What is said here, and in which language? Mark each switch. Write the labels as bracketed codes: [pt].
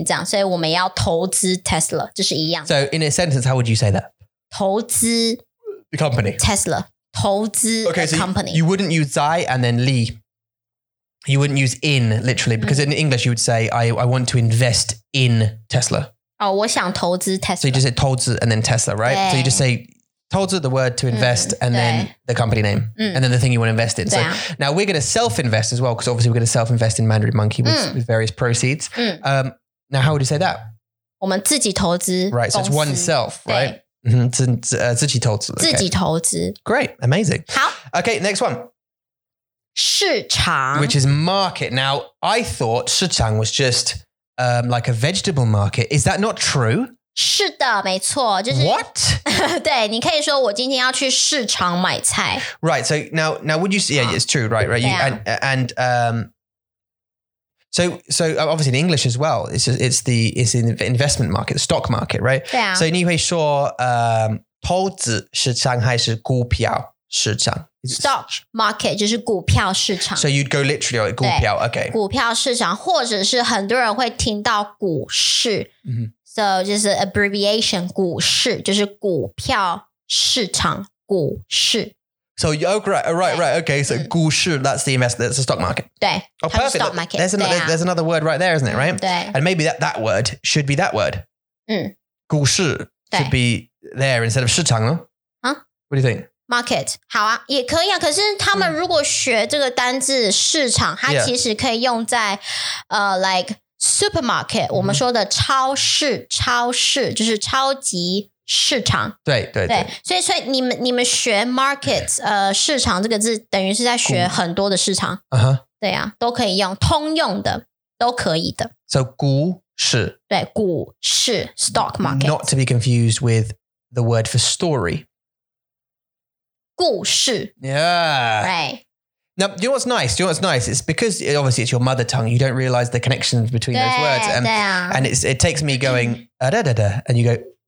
[zh] 就是我们想要帮他们，知道，就是赚钱这样，所以我们要投资Tesla， 这是一样。 [en] So in a sentence, how would you say that? [zh] 投资 [en] the company [zh] Tesla. 投资 [en] okay, the company. So you wouldn't use die and then li. You wouldn't use in literally because in English you would say I want to invest in Tesla. [zh] Oh, 我想投资Tesla. [en] So you just say 投资 and then Tesla, right? So you just say 投资 the word to invest and then the company name and then the thing you want to invest in. So now we're going to self-invest as well because obviously we're going to self-invest in Mandarin Monkey with various proceeds. Now how would you say that? [zh] 我们自己投资 [en] right, so it's oneself, right? [zh] 自己投资。自己投资。 [en] okay. Great, amazing. [zh] 好。 [en] Okay, next one. [zh] 市场。 [en] Which is market. Now, I thought 市场 was just like a vegetable market. Is that not true? [zh] 是的,没错,就是... [en] What? [zh] 对,你可以说我今天要去市场买菜。 [en] Right, so now would you... Yeah, it's true, right? Right. So obviously in English as well, it's an investment market, the stock market, right? Yeah. So [zh] 你会说, 投资市场还是股票市场? [en] Stock market, [zh] 就是股票市场。 [en] So you'd go literally, like, 股票, okay. [zh] 股票市场, 或者是很多人会听到股市, [en] so just an abbreviation, [zh] 股市, 就是股票市场,股市。 [en] So, oh, right. Okay, so 股市, that's the investment, that's the stock market. [zh] 对, [en] oh, perfect. Stock market. There's another word right there, isn't it, right? [zh] 对. [en] And maybe that word should be that word. 股市 should be there instead of 市场, no? Huh? What do you think? [zh] Market. 好啊, 也可以啊, 可是他们如果学这个单字市场, 它其实可以用在, [en] like, [zh] supermarket, 我们说的超市, 超市, 就是超级, 市场，对，所以你们学 markets 市场这个字，等于是在学很多的市场， uh-huh. 对啊，都可以用，通用的都可以的。 [en] So [zh] 股市，对，股市 [en] stock market, not to be confused with the word for story. 故事，yeah, right. Now, do you know what's nice? It's because obviously it's your mother tongue. You don't realize the connections between those words, and it takes me going da da da, and you go.